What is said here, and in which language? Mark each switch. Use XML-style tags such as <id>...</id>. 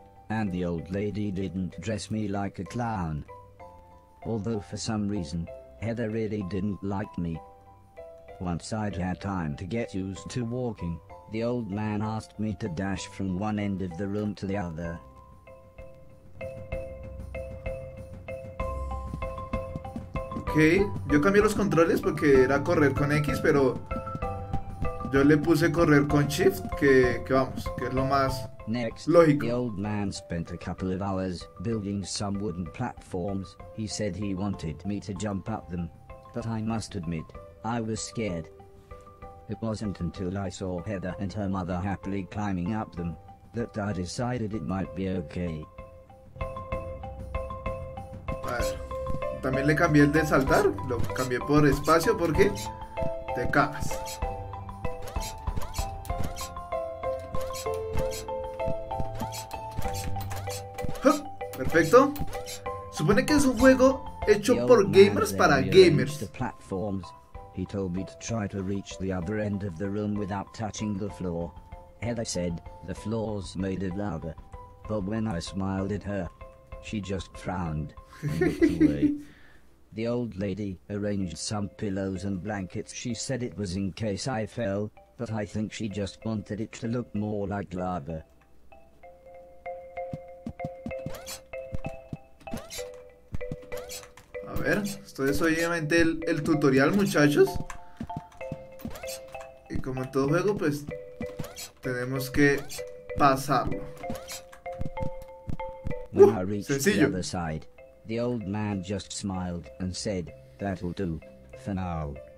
<en>And the old lady didn't dress me like a clown. Although for some reason, Heather really didn't like me. Once I'd had time to get used to walking, the old man asked me to dash from one end of the room to the other.</en> <es>Okay, yo cambié los controles porque era correr con X, pero yo le puse correr con Shift, que vamos, que es lo más</es> <en>next,</en> <es>lógico.</es> <en>The old man spent a couple of hours building some wooden platforms. He said he wanted me to jump up them, but I must admit, I was scared. It wasn't until I saw Heather and her mother happily climbing up them that I decided it might be okay.</en> <es>Bueno, también le cambié el de saltar, lo cambié por espacio porque te cagas. Perfecto. Supone que es un juego hecho por gamers para gamers.</es> <en>He told me to try to reach the other end of the room without touching the floor. Heather said, the floor's made of lava. But when I smiled at her, she just frowned and looked away. The old lady arranged some pillows and blankets. She said it was in case I fell, but I think she just wanted it to look more like lava.</en> <es>A ver, esto es obviamente el tutorial, muchachos. Y como en todo juego, pues tenemos que pasarlo.</es> <en>When I reached sencillo. The other side, the old man just smiled and said, "That'll do for now."</en>